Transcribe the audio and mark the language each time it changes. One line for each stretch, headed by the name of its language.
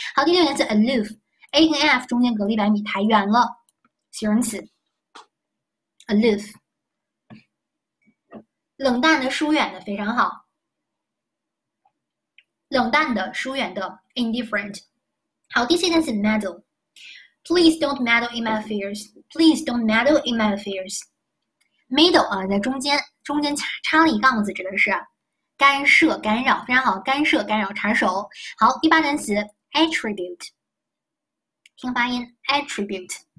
Chinese: 好，第六单词 aloof，A 跟 F 中间隔了100米，抬远了，形容词 aloof。冷淡的、疏远的，非常好。冷淡的、疏远的，indifferent。好，第七件事，meddle。
English: Please don't meddle in my affairs. Please don't meddle in my affairs.
Chinese: Meddle 啊，在中间插了一杠子，指的是干涉、干扰，非常好，干涉、干扰、插手。好，第八单词，attribute。听发音，attribute。